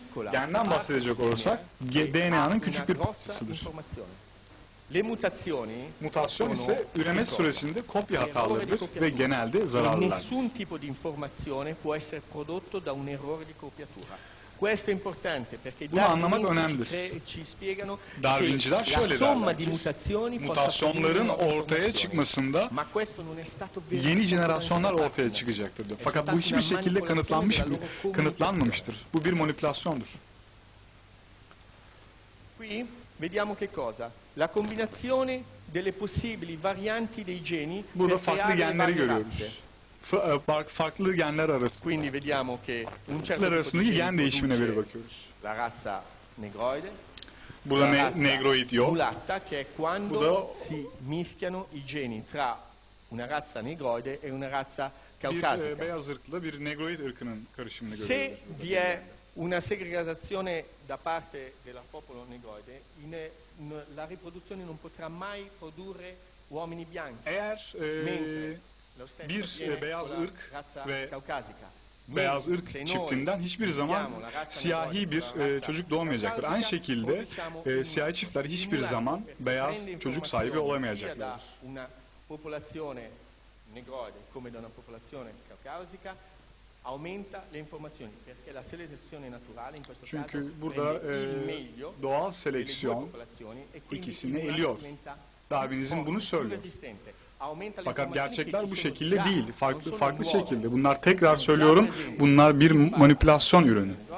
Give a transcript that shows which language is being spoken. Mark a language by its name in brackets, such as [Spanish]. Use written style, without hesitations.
[Turkish] Genden bahsedecek olursak DNA'nın küçük bir parçasıdır. [Italian] Le mutazioni [Turkish] mutasyon ise üreme süresinde kopya hatalarıdır ve genelde zararlıdır. [Italian] Nessun tipo di informazione può essere prodotto da un errore di copiatura. Questo è importante perché [Turkish] bunu anlamak önemlidir. [Italian] Ci spiegano [Turkish] Darwinciler [Italian] che [Turkish] şöyle [Italian] la somma di mutazioni [Turkish] mutasyonların ortaya çıkmasında yeni jenerasyonlar ortaya çıkacaktır. Fakat bu hiçbir şekilde kanıtlanmamıştır. Bu bir manipülasyondur. [Italian] Qui vediamo che cosa. La combinazione delle possibili varianti dei geni. [Turkish] Burada farklı genleri görüyoruz. Farklı genler arasında. [Italian] Quindi vediamo che un certo tipo [Turkish] arasındaki gen değişimine bir bakıyoruz. [Italian] La razza negroide. [Turkish] Burada negroid yok. [Italian] Mulatta, che è quando da, si mischiano i geni tra una razza negroide e una razza caucasica. [Turkish] Bir beyaz ırkla bir negroid ırkının karışımını görüyoruz. [Italian] Se vi è una segregazione da parte del popolo negroide, la riproduzione non potrà mai produrre uomini bianchi. [Turkish] Eğer bir beyaz ırk ve beyaz ırk çiftinden hiçbir zaman siyahi bir çocuk doğmayacaktır. Aynı şekilde siyahi çiftler hiçbir zaman beyaz çocuk sahibi olamayacaklardır. [Italian] Una popolazione negroide come da una popolazione caucasica aumenta le informazioni perché la selezione naturale in questo caso. [Turkish] Çünkü burada doğal seleksiyon ikisini eliyor. Darwinizm bunu söylüyor. Fakat gerçekler bu şekilde değil, farklı şekilde. Bunlar tekrar söylüyorum, bunlar bir manipülasyon ürünü.